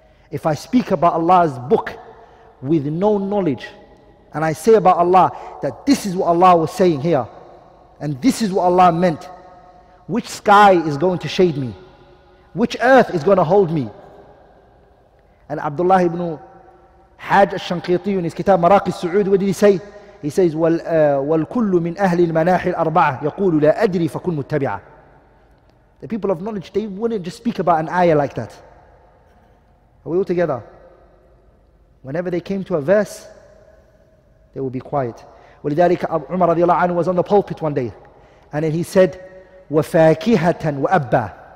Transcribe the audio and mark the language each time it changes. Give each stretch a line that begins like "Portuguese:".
English: If I speak about Allah's book with no knowledge, and I say about Allah that this is what Allah was saying here, and this is what Allah meant, which sky is going to shade me? Which earth is going to hold me? And Abdullah ibn Hajj al-Shanqiti in his kitab Maraqi al-Su'ud, what did he say? He says,
Arabic: وَالْكُلُّ مِنْ أَهْلِ الْمَنَاحِ الْأَرْبَعَةِ يَقُولُ لَا أَدْرِي فَكُنْ مُتَّبِعَةً.
English: The people of knowledge, they wouldn't just speak about an ayah like that. Are we all together? Whenever they came to a verse, they would be quiet.
Arabic: وَلِذَلِكَ
English: Umar radiallahu anhu was on the pulpit one day, and then he said,
Arabic: وَفَاكِهَةً وَأَبَّا.